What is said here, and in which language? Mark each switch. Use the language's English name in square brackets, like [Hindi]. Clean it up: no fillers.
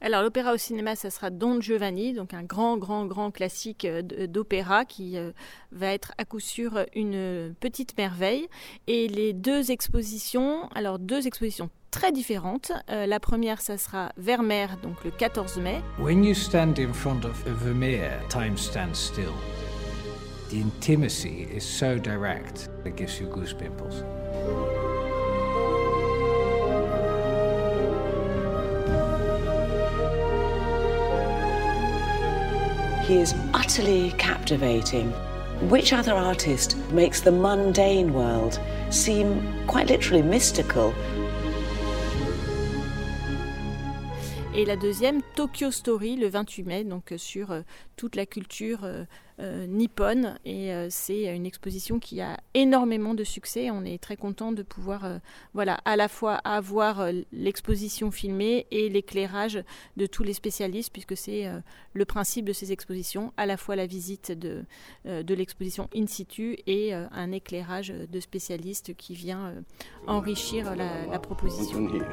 [French] Alors l'opéra au cinéma, ça sera Don Giovanni, donc un grand classique d'opéra qui va être à coup sûr une petite merveille. Et les deux expositions, alors deux expositions très différentes. La première, ça sera Vermeer, donc le 14 mai. [English] When you stand in front of a Vermeer, time stands still. The intimacy is so direct that gives you goose pimples. He is utterly captivating. Which other artist makes the mundane world seem quite literally mystical? [French] Et la deuxième, Tokyo Story, le 28 mai, donc sur toute la culture nippone. Et c'est une exposition qui a énormément de succès. On est très content de pouvoir à la fois avoir l'exposition filmée et l'éclairage de tous les spécialistes, puisque c'est le principe de ces expositions, à la fois la visite de l'exposition in situ et un éclairage de spécialistes qui vient enrichir la proposition.